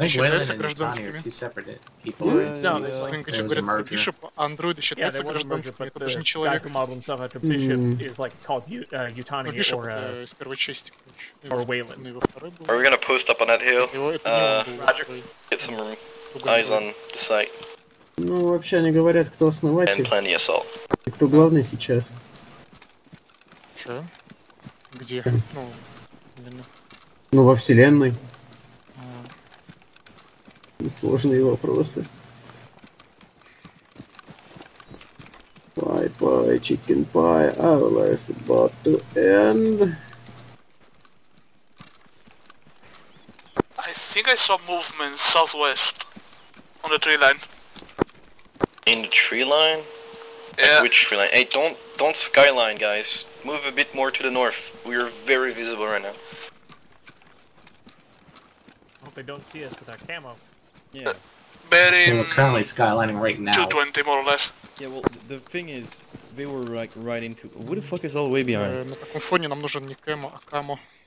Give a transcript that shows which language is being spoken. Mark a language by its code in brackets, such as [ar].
[en] Waylon and Yutani are two separate people. Yeah. No, Bishop Android, yeah, they were a merger, but the guy who modeled himself after Bishop is, like, called Yutani or Waylon. Are we gonna post up on that hill? Roger. Get some room. Eyes on the site. [ru] Ну вообще они говорят, кто основатель. [en] And plan the assault. [ru] И кто главный сейчас? Че? Где? Ну, вселенной. Ну во вселенной. Сложные вопросы. [en] Pie pie, chicken pie, our life is about to end. I think I saw movement southwest. On the tree line. In the tree line? Yeah. Like which tree line? Hey, don't skyline, guys. Move a bit more to the north. We are very visible right now. I hope they don't see us with our camo. Yeah. Betting. They were currently skylining right now. 220 more or less. Yeah, well, the thing is, they were like right into. Who the fuck is all the way behind? [ru] На таком фоне нам нужен не кэмо, а камо.